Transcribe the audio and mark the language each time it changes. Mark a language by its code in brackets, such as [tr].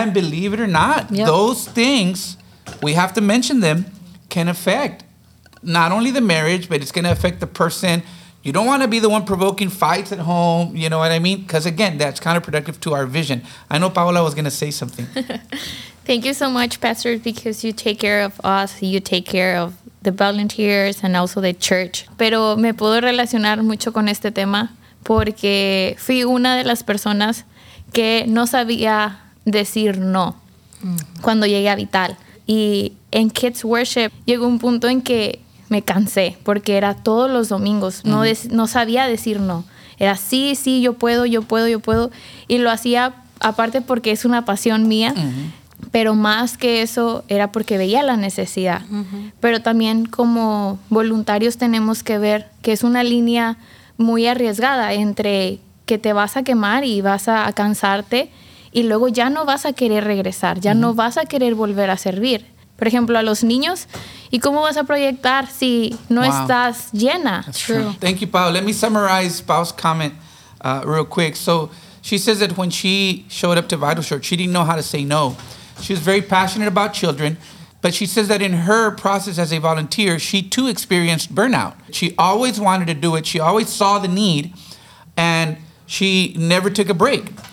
[en] And believe it or not, those things, we have to mention them, can affect not only the marriage, but it's going to affect the person. You don't want to be the one provoking fights at home. You know what I mean? Because, again, that's counterproductive to our vision. I know Paola was going to say something. Thank you so much, Pastor, because you take care of us. You take care of the volunteers and also the church. [es] Pero me puedo relacionar mucho con este tema porque fui una de las personas que no sabía decir no cuando llegué a Vital. Y en Kids Worship llegó un punto en que me cansé porque era todos los domingos. No, no sabía decir no. Era sí, sí, yo puedo. Y lo hacía aparte porque es una pasión mía, pero más que eso era porque veía la necesidad. Pero también como voluntarios tenemos que ver que es una línea muy arriesgada entre que te vas a quemar y vas a cansarte y luego ya no vas a querer regresar, ya no vas a querer volver a servir. Por ejemplo, a los niños, ¿y cómo vas a proyectar si no estás llena? [en] That's true. Thank you, Pao. Let me summarize Pao's comment real quick. So she says that when she showed up to Vital Church, she didn't know how to say no. She was very passionate about children, but she says that in her process as a volunteer, she too experienced burnout. She always wanted to do it. She always saw the need, and she never took a break.